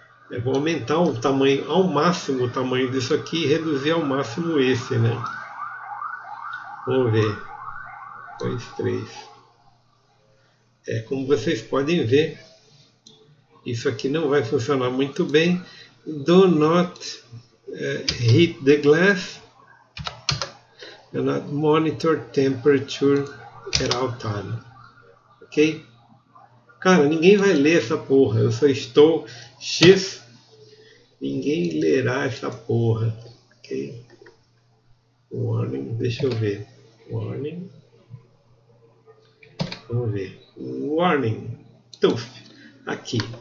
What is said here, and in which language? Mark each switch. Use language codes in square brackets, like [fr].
[pt] Eu vou aumentar o tamanho ao máximo o tamanho disso aqui e reduzir ao máximo esse, né? Vamos ver. 2, 3. Como vocês podem ver. Isso aqui não vai funcionar muito bem. [en] Do not hit the glass. Do not monitor temperature at all time. Ok? [pt] Cara, ninguém vai ler essa porra. Eu só estou X. Ninguém lerá essa porra. Ok? Warning. Deixa eu ver. Warning. Vamos ver. Warning. Tuf. Aqui.